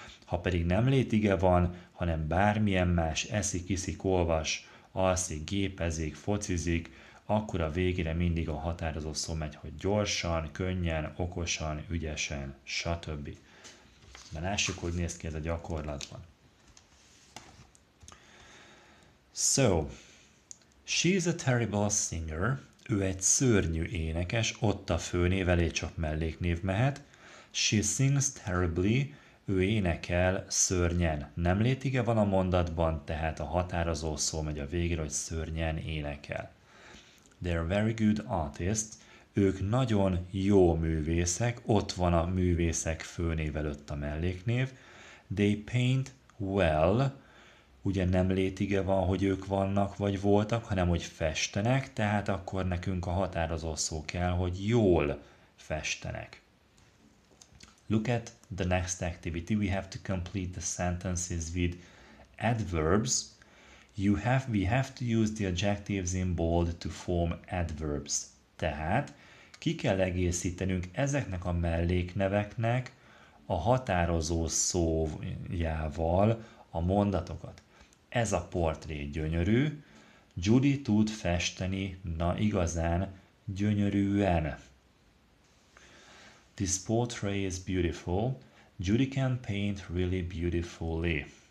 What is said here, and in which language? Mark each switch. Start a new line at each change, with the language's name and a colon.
Hungarian: Ha pedig nem létige van, hanem bármilyen más, eszik, iszik, olvas, alszik, gépezik, focizik, akkor a végére mindig a határozó szó megy, hogy gyorsan, könnyen, okosan, ügyesen, stb. Na lássuk, hogy néz ki ez a gyakorlatban.
English: So, she's a terrible singer.
Hungarian: Ő egy szörnyű énekes, ott a főnév elé csak melléknév mehet.
English: She sings terribly.
Hungarian: Ő énekel szörnyen. Nem létige van a mondatban, tehát a határozó szó megy a végére, hogy szörnyen énekel.
English: They're very good artists.
Hungarian: Ők nagyon jó művészek. Ott van a művészek főnév előtt a melléknév.
English: They paint well.
Hungarian: Ugye nem létige van, hogy ők vannak vagy voltak, hanem hogy festenek, tehát akkor nekünk a határozó szó kell, hogy jól festenek.
English: Look at the next activity. We have to complete the sentences with adverbs. We have to use the adjectives in bold to form adverbs.
Hungarian: Tehát ki kell egészítenünk ezeknek a mellékneveknek a határozó szójával a mondatokat. Ez a portré gyönyörű. Judy tud festeni, na igazán, gyönyörűen.
English: This portrait is beautiful. Judy can paint really beautifully.